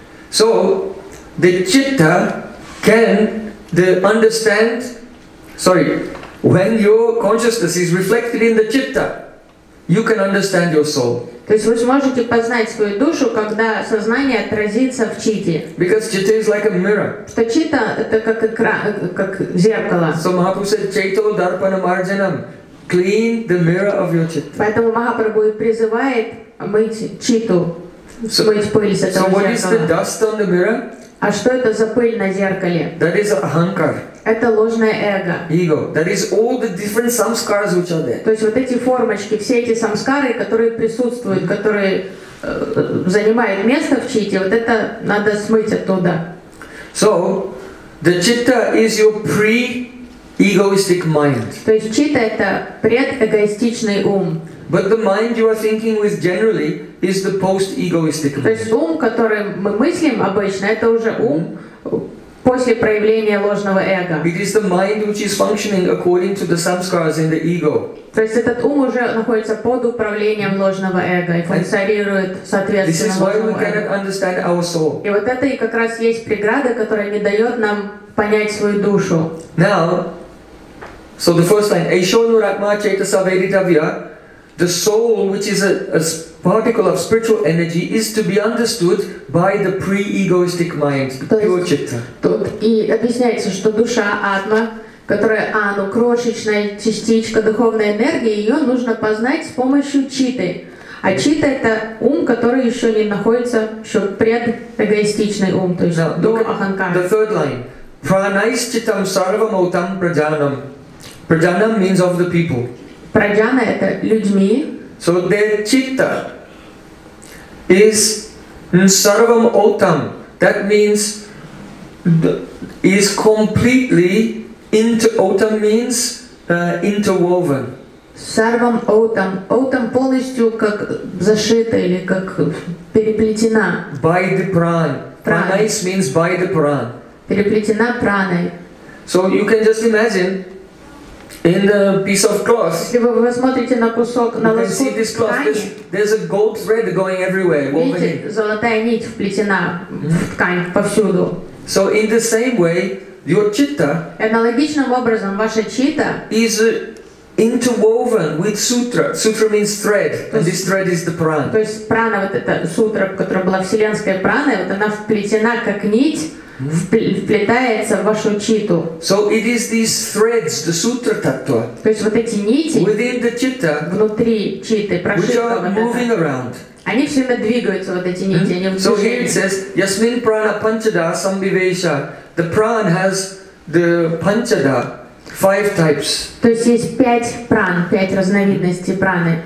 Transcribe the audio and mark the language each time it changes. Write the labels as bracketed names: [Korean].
[English] So, the chitta can the understand, sorry, when your consciousness is reflected in the chitta, you can understand your soul. [Russian] То есть вы сможете познать свою душу, когда сознание отразится в чите. [English] Because chitta is like a mirror. [Russian] Что чита это как экран, как зеркало. [English] So Mahaprabhu said, [Sanskrit] chaito darpana marjanam, [English] clean the mirror of your chitta. [Russian] Поэтому Махапрабху и призывает мыть читу, [English] so, [Russian] мыть пыль с этого зеркала. [English] So what зеркала. Is the dust on the mirror? [Russian] А что это за пыль на зеркале? [English] That is ahankar. [Russian] Это ложное эго. [English] Ego. That is all the different samskaras which are there. [Russian] То есть вот эти формочки, все эти самскары, которые присутствуют, mm-hmm. которые занимают место в чите, вот это надо смыть оттуда. [English] So, the chitta is your pre-egoistic mind. [Russian] То есть чита это предэгоистичный ум. [English] But the mind you are thinking with generally is the post-egoistic mind. [Russian] То есть ум, которым мы мыслим обычно, это уже ум после проявления ложного эго. [English] It is the mind which is functioning according to the samskaras in the ego. [Russian] То есть этот ум уже находится под управлением ложного эго и функционирует соответственно. [English] This is why we cannot understand our soul. [Russian] И вот это и как раз есть преграда, которая не дает нам понять свою душу. [English] Now, so the first line, [Sanskrit] Aishonu Ratma Chaitasa Veditavya. [English] The soul, which is a particle of spiritual energy, is to be understood by the pre-egoistic mind, the pure chitta. [Russian] Тут и объясняется, что душа атма, которая ану, крошечная частичка духовной энергии, ее нужно познать с помощью читы. А чита это ум, который еще не находится, еще предэгоистичный ум, то есть до аханкара. [English] The third line: [Sanskrit] pranaischitam sarvamautam prajanam. [English] Prajanam means of the people. [Russian] Праджана — это людьми. [English] So their chitta is sarvam otam. That means is completely into otam means interwoven. [Sanskrit] Sarvam otam. [Russian] Otam полностью как зашита или как переплетена. [English] By the pran. Pranais means by the pran. [Russian] Переплетена праной. [English] So you can just imagine. In the piece of cloth, [Russian] если вы смотрите на кусок, на лоскут ткани, [English] there's a gold thread going everywhere, woven. [Russian] Видите, золотая нить вплетена в ткань повсюду. [English] So in the same way, your chitta. [Russian] Аналогичным образом ваша чита. [English] Is interwoven with sutra. Sutra means thread, and this thread is the prana. [Russian] То есть прана вот эта сутра, которая была вселенской праной, вот она вплетена как нить. Вплетается в вашу читу. [English] So it is these threads, the sutra tattva. [Russian] То есть вот эти нити [English] within the chitta, [Russian] внутри читы, прошивка вот эта. Они все время двигаются, вот эти нити, они в [English] движении. So here it says, [Sanskrit] Yasmin prana panchada sambivesha. [English] The prana has the panchada, five types. [Russian] То есть есть пять пран, пять разновидностей праны.